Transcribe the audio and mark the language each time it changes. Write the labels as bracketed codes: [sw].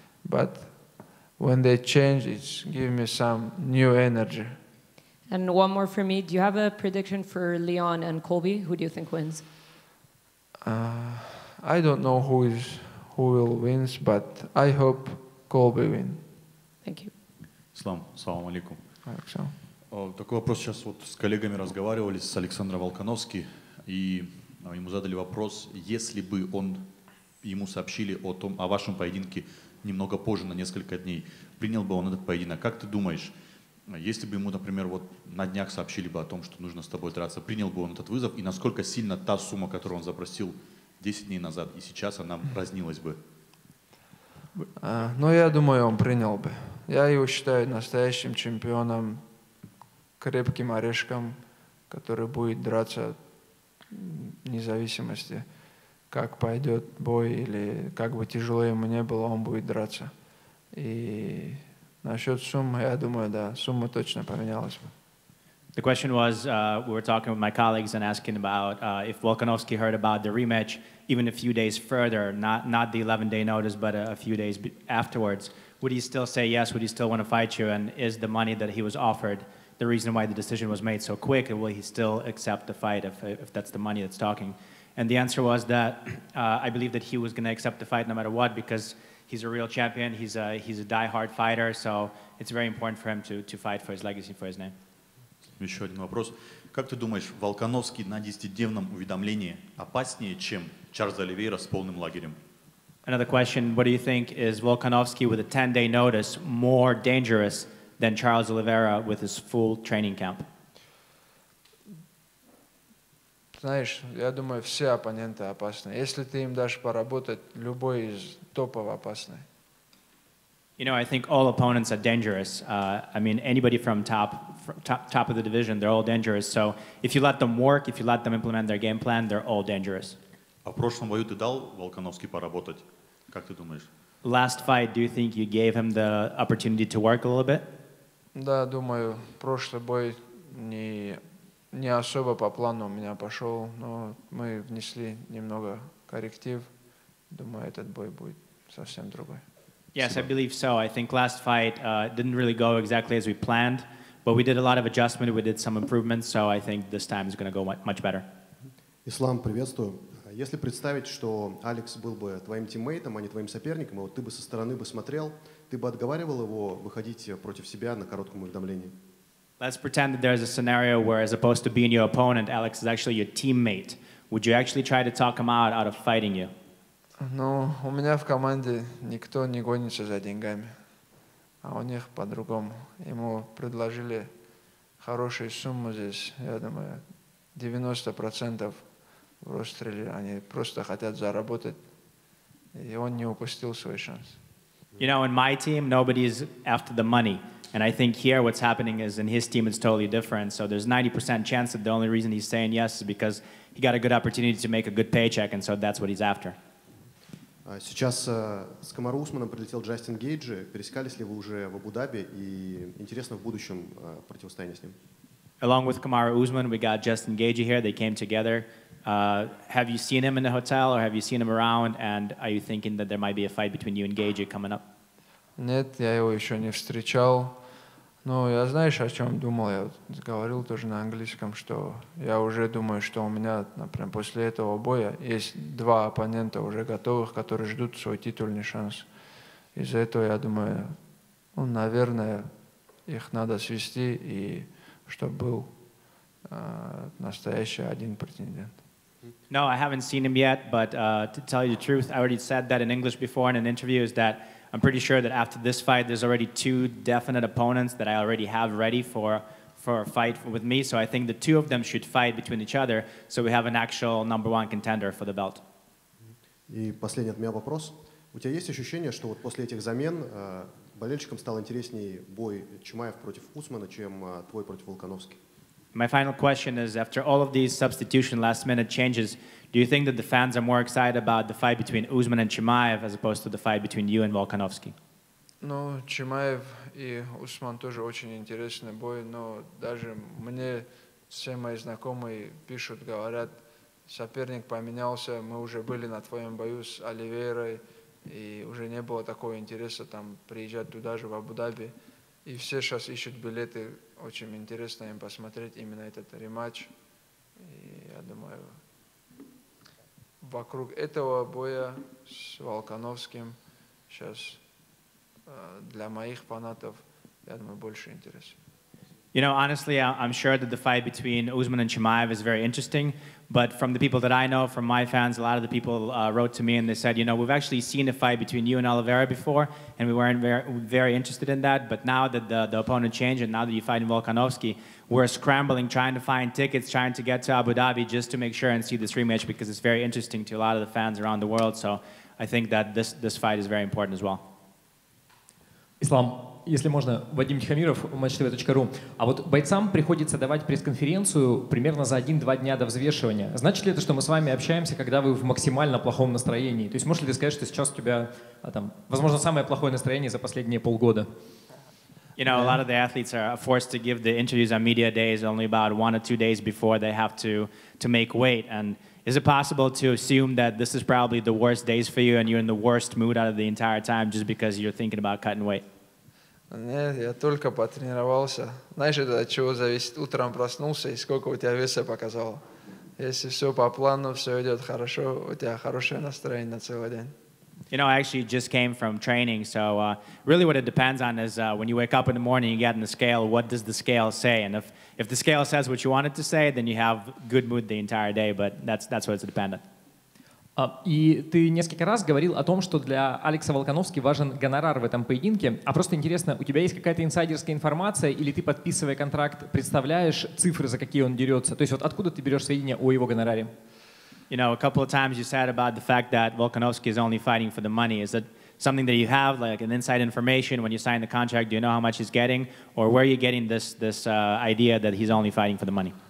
[en] But when they change, it's give me some new energy. And one more for me. Do you have a prediction for Leon and Colby? Who do you think wins? I don't know who will win, but I hope Colby win. Thank you. [ru] Ислам, салам алейкум. Александр. Такой вопрос сейчас вот с коллегами разговаривали, с Александром Волкановским, и ему задали вопрос, если бы он ему сообщили о том, о вашем поединке немного позже, на несколько дней, принял бы он этот поединок. Как ты думаешь, если бы ему, например, вот на днях сообщили бы о том, что нужно с тобой драться, принял бы он этот вызов? И насколько сильно та сумма, которую он запросил 10 дней назад, и сейчас она разнилась бы? Ну, я думаю, он принял бы. Я его считаю настоящим чемпионом, крепким орешком, который будет драться вне зависимости, как пойдет бой, или как бы тяжело ему не было, он будет драться. И... насчет суммы, я думаю, да, сумма точно поменялась бы. [en] The question was, we were talking with my colleagues and asking about if Volkanovski heard about the rematch even a few days further, not the 11-day notice, but a few days afterwards. Would he still say yes? Would he still want to fight you? And is the money that he was offered the reason why the decision was made so quick? And will he still accept the fight if that's the money that's talking? And the answer was that I believe that he was going to accept the fight no matter what, because he's a real champion. He's a die-hard fighter. So it's very important for him to fight for his legacy, for his name. [ru] Еще один вопрос. Как ты думаешь, Волкановский на 10-дневном уведомлении опаснее, чем Чарльз Оливейра с полным лагерем? [en] Another question. What do you think, is Volkanovski with a 10-day notice more dangerous than Charles Oliveira with his full training camp? [ru] Знаешь, я думаю, все оппоненты опасны. Если ты им дашь поработать, любой из топов опасный. [en] You know, I think all opponents are dangerous. I mean, anybody from top of the division, they're all dangerous. So if you let them work, if you let them implement their game plan, they're all dangerous. [ru] А в прошлом бою ты дал Волкановски поработать? Как ты думаешь? [en] Last fight, do you think you gave him the opportunity to work a little bit? [ru] Да, думаю, прошлый бой не... не особо по плану у меня пошел, но мы внесли немного корректив. Думаю, этот бой будет совсем другой. [en] Yes, I believe so. I think last fight didn't really go exactly as we planned, but we did a lot of adjustment, we did some improvements, so I think this time is going to go much better. [ru] Ислам, приветствую. Если представить, что Алекс был бы твоим тиммейтом, а не твоим соперником, и вот ты бы со стороны бы смотрел, ты бы отговаривал его выходить против себя на коротком уведомлении? [en] Let's pretend that there's a scenario where, as opposed to being your opponent, Alex is actually your teammate. Would you actually try to talk him out of fighting you? [ru] Ну, у меня в команде никто не гонится за деньгами, а у них по-другому. Ему предложили хорошую сумму здесь. Я думаю, 90% в Ростреле они просто хотят заработать, и он не упустил свой шанс. [en] You know, in my team, nobody's after the money. And I think here what's happening is in his team it's totally different. So there's 90% chance that the only reason he's saying yes is because he got a good opportunity to make a good paycheck, and so that's what he's after. [ru] Сейчас с Камару Усманом прилетел Джастин Гейджи. Пересекались ли вы уже в Абу-Даби? И интересно в будущем противостояние с ним. [en] Along with Kamaru Usman, we got Justin Gaethje here. They came together. Have you seen him in the hotel, or have you seen him around? And are you thinking that there might be a fight between you and Gaethje coming up? [ru] Нет, я его еще не встречал. Но я, знаешь, о чем думал? Я говорил тоже на английском, что я уже думаю, что у меня, например, после этого боя есть два оппонента уже готовых, которые ждут свой титульный шанс. Из-за этого я думаю, ну, наверное, их надо свести и чтобы был настоящий один претендент. [en] No, I haven't seen him yet, but to tell you the truth, I already said that in English before in an interview, is that I'm pretty sure that after this fight, there's already two definite opponents that I already have ready for a fight with me. So I think the two of them should fight between each other, so we have an actual number one contender for the belt. [ru] И последний от меня вопрос. У тебя есть ощущение, что вот после этих замен болельщикам стал интереснее бой Чимаев против Усмана, чем твой против Волкановски? [en] My final question is, after all of these substitution last minute changes, do you think that the fans are more excited about the fight between Usman and Chimaev as opposed to the fight between you and Volkanovski? [ru] Ну, Чимаев и Усман тоже очень интересный бой, но даже мне все мои знакомые пишут, говорят, соперник поменялся, мы уже были на твоем бою с Оливейрой, и уже не было такого интереса там приезжать туда же, в Абу-Даби. И все сейчас ищут билеты. Очень интересно им посмотреть именно этот рематч. И я думаю, вокруг этого боя с Волкановским сейчас для моих фанатов, я думаю, больше интереса. [en] You know, honestly, I'm sure that the fight between Usman and Chimaev is very interesting. But from the people that I know, from my fans, a lot of the people wrote to me and they said, you know, we've actually seen a fight between you and Oliveira before, and we weren't very interested in that. But now that the opponent changed, and now that you're fighting Volkanovski, we're scrambling, trying to find tickets, trying to get to Abu Dhabi just to make sure and see this rematch, because it's very interesting to a lot of the fans around the world. So I think that this fight is very important as well. [ru] Islam. Если можно, Вадим Тихомиров, match.tv.ru. А вот бойцам приходится давать пресс-конференцию примерно за 1-2 дня до взвешивания. Значит ли это, что мы с вами общаемся, когда вы в максимально плохом настроении? То есть можешь ли ты сказать, что сейчас у тебя, там, возможно, самое плохое настроение за последние полгода? [en] You know, a lot of the athletes are forced to give the interviews on media days only about 1 or 2 days before they have to make weight. And is it possible to assume that this is probably the worst days for you and you're in the worst mood out of the entire time just because you're thinking about cutting weight? [ru] Нет, я только потренировался. Знаешь, это от чего зависит? Утром проснулся и сколько у тебя веса показало. Если все по плану, все идет хорошо, у тебя хорошее настроение на целый день. [en] You know, I actually just came from training, so really what it depends on is when you wake up in the morning, you get on the scale, what does the scale say? And if the scale says what you want it to say, then you have good mood the entire day, but that's what it's dependent. [ru] И ты несколько раз говорил о том, что для Алекса Волкановски важен гонорар в этом поединке. А просто интересно, у тебя есть какая-то инсайдерская информация, или ты, подписывая контракт, представляешь цифры, за какие он дерется? То есть вот откуда ты берешь сведения о его гонораре? [en] You know, a couple of times you said about the fact that Volkanovski is only fighting for the money. Is that something that you have, like an inside information when you sign the contract? Do you know how much he's getting? Or where are you getting this idea that he's only fighting for the money?